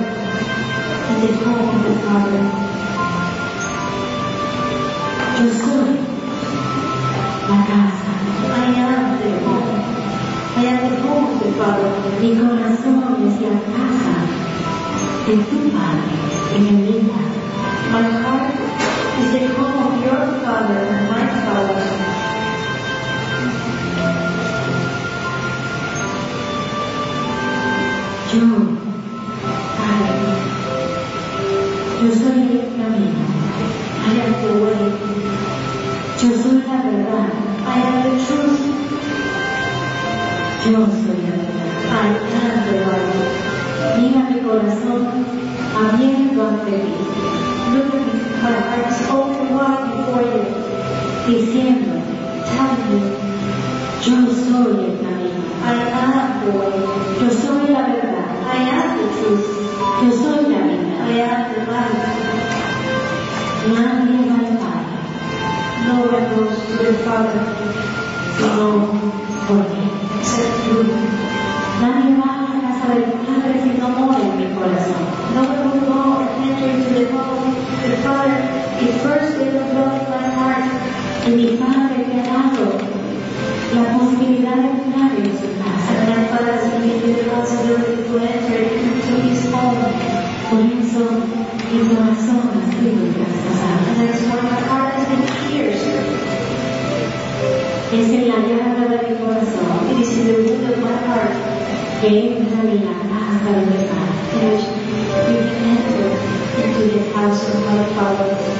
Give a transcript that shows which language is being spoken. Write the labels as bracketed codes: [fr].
[en] in the home of the Father. [es] Yo soy la casa. [en] I am the home. I am the home of the Father. [es] Mi corazón es la casa de tu Padre en el mío. [en] My heart is the home of your Father and my Father. [es] Yo, Padre, yo soy el camino. [en] I am the way. [es] Yo soy la verdad. [en] I am the truth. [es] Yo soy la verdad. [en] I am the way. [es] Mira mi corazón abierto ante ti. [en] Look at me, my heart is open wide before you. [es] Diciendo, [en] tell me, [es] yo soy el camino. [en] I am the way. [es] Yo soy la verdad. [en] I am the truth. [es] Yo soy la vida. [en] I am the life. [es] Nadie va al Padre. [en] No one goes to the Father. [es] Sino por mí. [en] Except through me. [es] Nadie va a la casa del Padre si no mora en mi corazón. [en] No one will go and enter into the home of the Father if first they don't go in my heart. [es] Y mi Padre te ha dado la posibilidad de entrar en su casa. [en] And my Father has given me the possibility to enter into his home. [es] Por eso, mi corazón ha sido traspasado. [en] And that is why my heart has been pierced. [es] Es en la llave de mi corazón. [en] It is in the root of my heart. [es] Que entra en la casa de mi Padre. [en] You can enter into the house of my Father.